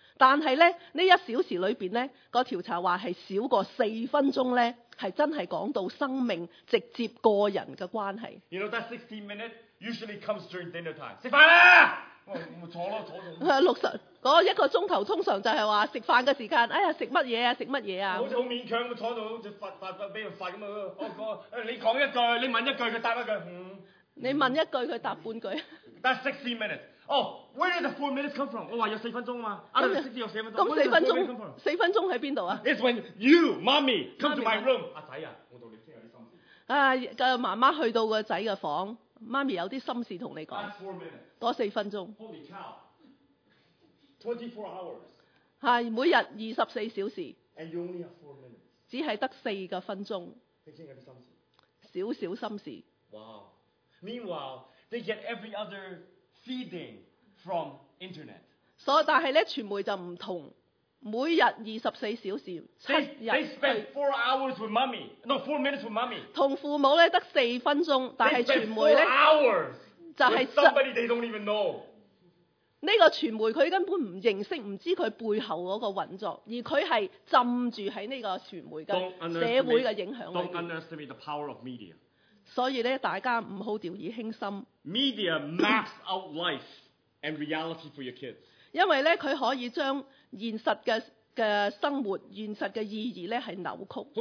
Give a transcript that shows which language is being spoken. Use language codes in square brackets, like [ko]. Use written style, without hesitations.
[yue] 但係咧呢一小時裏邊咧，個調查話係少過四分鐘咧，係真係講到生命直接個人嘅關係。 [en] You know that 16 minutes usually comes during dinner time. [yue] 食飯啦！唔坐咯，坐六十嗰一個鐘頭通常就係話食飯嘅時間。哎呀，食乜嘢啊？食乜嘢啊？好似好勉強咁坐到，好似發俾人發咁啊！你講一句，你問一句，佢答一句。你問一句，佢答半句。 [en] That's 16 minutes. Oh, where did the 4 minutes come from? [yue] 我話有四分鐘啊嘛。 [en] Out of 60有四分鐘。 [yue] 咁四分鐘，四分鐘喺邊度啊 [en] ？It's when you, mommy, come to my room. [yue] 阿仔啊，我同你傾下啲心事。啊，個媽媽去到個仔嘅房。媽咪有啲心事同你講，多四分鐘。 [en] Holy cow, 24 hours. [yue] 係每日24小時。 [en] And you only have 4 minutes. [yue] 只係得四個分鐘。你傾下啲心事。少少心事。 [en] Wow. Meanwhile, they get every other feeding from internet. [yue] 所以但係咧，傳媒就唔同，每日24小時，七日。 [en] They spend 4 hours with mommy. No, 4 minutes with mommy. [yue] 同父母咧得四分鐘，但係傳媒咧就係 [en] somebody they don't even know. [yue] 呢個傳媒佢根本唔認識，唔知佢背後嗰個運作，而佢係浸住喺呢個傳媒嘅社會嘅影響裏邊。 [en] Don't underestimate the power of media. [yue] 所以咧，大家唔好掉以輕心。 [en] Media maps out life and reality for your kids. [yue] 因為咧，佢可以將現實的生活、現實的意義咧係扭曲，